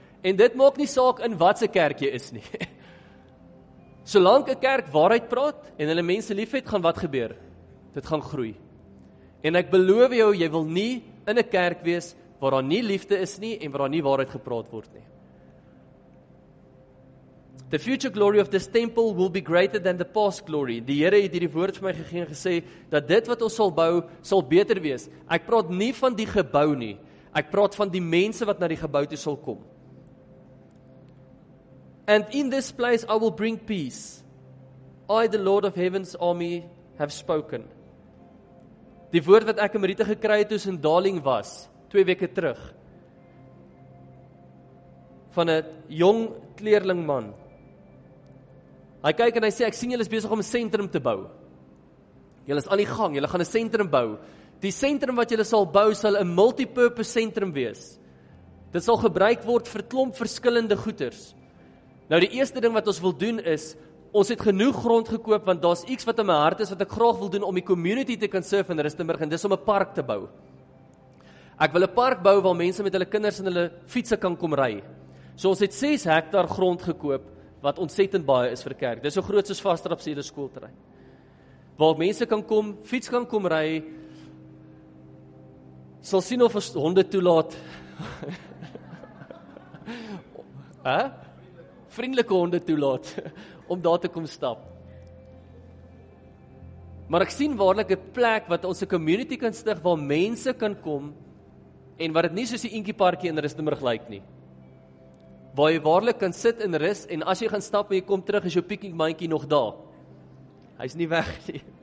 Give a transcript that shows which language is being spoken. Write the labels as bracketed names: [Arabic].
[Afrikaans] En dit maak nie saak in wat se kerk jy is nie. Solank 'n kerk waarheid praat, en hulle mense lief het, gaan wat gebeur? Dit gaan groei. En ek beloof jou, jy wil nie in 'n kerk wees, waar daar nie liefde is nie, en waar daar nie waarheid gepraat word nie. [English] The future glory of this temple will be greater than the past glory. [Afrikaans] Die Here het hierdie woord vir my gegee en gesê, dat dit wat ons sal bou, sal beter wees. Ek praat nie van die gebou nie. Ek praat van die mense wat na die gebou toe sal kom. [English] And in this place I will bring peace. I, the Lord of Heaven's army, have spoken. [Afrikaans] Die woord wat ek in Marita gekry het, toe in Darling was, 2 weke terug, van 'n jong kleerlingman, hy kyk en hy sê, ek sien julle is besig om 'n sentrum te bou. Julle is aan die gang, julle gaan 'n sentrum bou. Die sentrum wat julle sal bou, sal 'n multipurpose sentrum wees. Dit sal gebruik word vir klomp verskillende goeders. Nou die eerste ding wat ons wil doen is, ons het genoeg grond gekoop, want daar is iets wat in my hart is, wat ek graag wil doen om die community te kan serve in Rustenburg, en dis om 'n park te bou. Ek wil 'n park bou waar mense met hulle kinders en hulle fietse kan kom ry. So ons het 6 hektar grond gekoop, wat ontsettend baie is vir kerk. Dis so groot soos Vasterop se hele skoolterrein. Waar mense kan kom, fiets kan kom ry, sal sien of ons honde toelaat. Vriendelike honde toelaat, om daar te kom stap. Maar ek sien waarlik 'n plek wat ons 'n community kan stig, waar mense kan kom, en wat het nie soos die eentjieparkie in Rustenburg lyk nie. Waar jy waarlik kan sit en rus, en as jy gaan stap en jy kom terug, is jou piknikmandjie nog daar. Hy is nie weg nie.